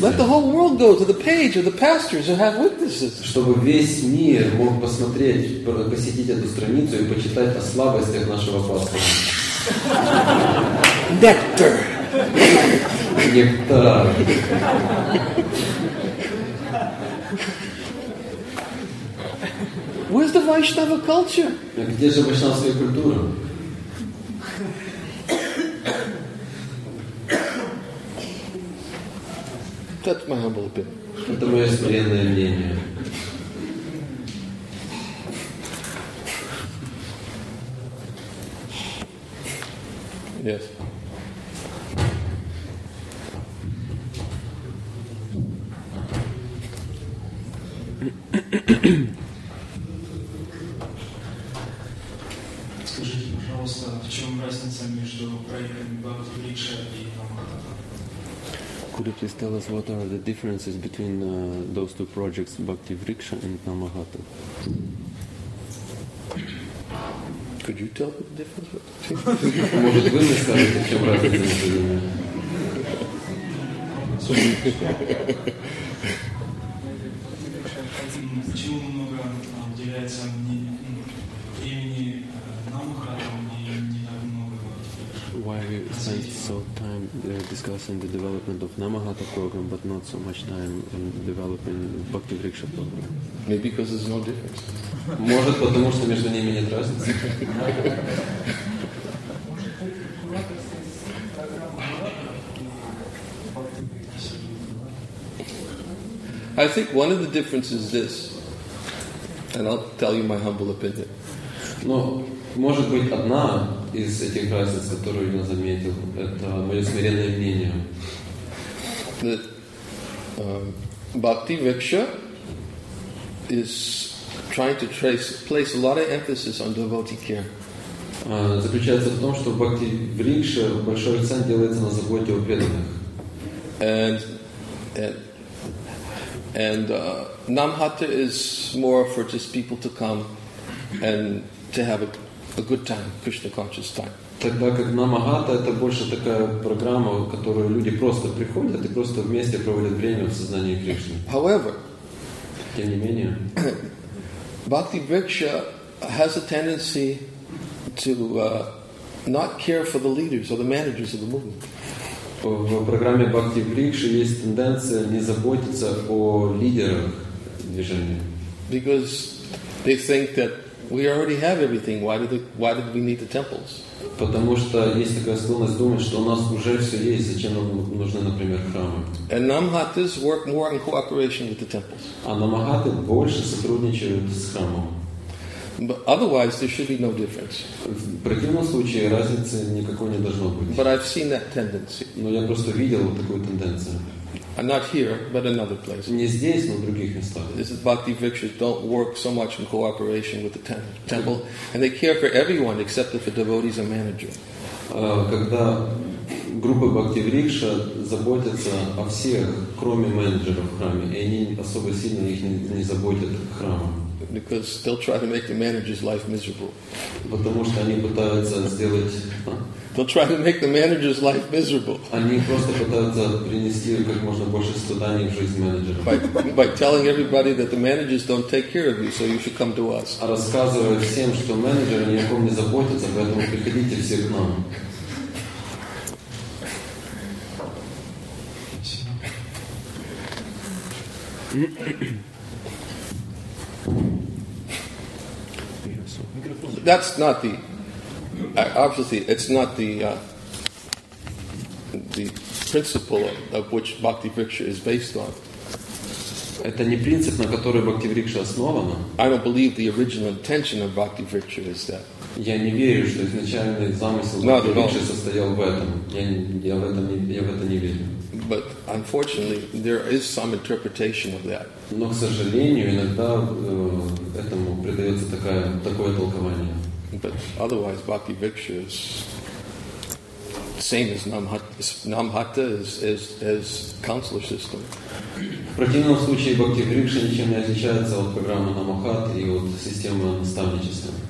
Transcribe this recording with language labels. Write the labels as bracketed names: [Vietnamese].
[English] Let the whole world go to the page of the pastors who have witnesses. [Russian] Чтобы весь мир мог посмотреть, посетить эту страницу и почитать о слабостях нашего пастора. [English] Nectar. [Russian] Нектар. [English] Nectar. Where's the Vaishnava culture? [Russian] Где же вайшнавская культура? [English] That's my humble opinion. [Russian] Это мое смиренное мнение. [English] Yes. [Russian] Скажите, пожалуйста, в чем разница между проектами Бхакти Рикша и Намахата? [English] Could you please tell us what are the differences between those two projects, Bhakti Vriksha and Namahata? Could you tell the difference? [Russian] Может, вы мне скажете, в чем разница? Почему много уделяется времени Намахатам и не так много Бхактивикшам? [English] Why we spend so time discussing the development of Namahata program, but not so much time in developing Бхактивикша program? Maybe because there's no difference. [Russian] Может, потому что между ними нет разницы. [English] I think one of the differences is this, and I'll tell you my humble opinion. [Russian] Но может быть одна из этих разниц, которую я заметил, это мое смиренное мнение. [English] That Bhakti Viksha is trying to place a lot of emphasis on devotee care. [Russian] Заключается в том, что Бхакти Вриксха большой акцент делается на заботе о преданных. [English] And Namahata is more for just people to come and to have a good time, Krishna conscious time. [Russian] Тогда как Намахата это больше такая программа, в которую люди просто приходят и просто вместе проводят время в сознании Кришны. [English] However, [Russian] тем не менее, [English] Bhakti Vriksha has a tendency to not care for the leaders or the managers of the movement. [Russian] В программе Бхакти Вриксха есть тенденция не заботиться о лидерах движения. [English] Because they think that we already have everything. Why did we need the temples? [Russian] Потому что есть такая склонность думать, что у нас уже все есть, зачем нам нужны, например, храмы. [English] And Namahatas work more in cooperation with the temples. [Russian] А Намахаты больше сотрудничают с храмом. [English] But otherwise, there should be no difference. [Russian] В противном случае разницы никакой не должно быть. [English] But I've seen that tendency. [Russian] Но я просто видел вот такую тенденцию. [English] And not here, but another place. [Russian] Не здесь, но в других местах. [English] This is Bhakti Vrikshas don't work so much in cooperation with the temple, and they care for everyone except if a devotee is a manager. [Russian] Когда группы Бхакти Вриксха заботятся о всех, кроме менеджеров в храме, и они особо сильно их не заботят храмом. [English] Because they'll try to make the manager's life miserable. [Russian] Потому что они пытаются сделать. [English] They'll try to make the manager's life miserable. [Russian] Они просто пытаются принести как можно больше страданий в жизнь менеджера. [English] By telling everybody that the managers don't take care of you, so you should come to us. [Russian] А рассказывают всем, что менеджеры ни о ком не заботятся, поэтому приходите все к нам. [English] That's not the obviously. It's not the the principle of which Bhakti Vriksha is based on. [Russian] Это не принцип, на который Бхакти Вриксха основана. [English] I don't believe the original intention of Bhakti Vriksha is that. [Russian] Я не верю, что изначальный замысел Бхакти Вриксха состоял в этом. Я в это не верю. [English] But unfortunately, there is some interpretation of that. [Russian] Но, к сожалению, иногда этому придается такое толкование. [English] But otherwise, Bhakti Vriksha is same as Namahata as counselor system. [Russian] В противном случае Бхакти Вриксха ничем не отличается от программы Намахат и от системы наставничества.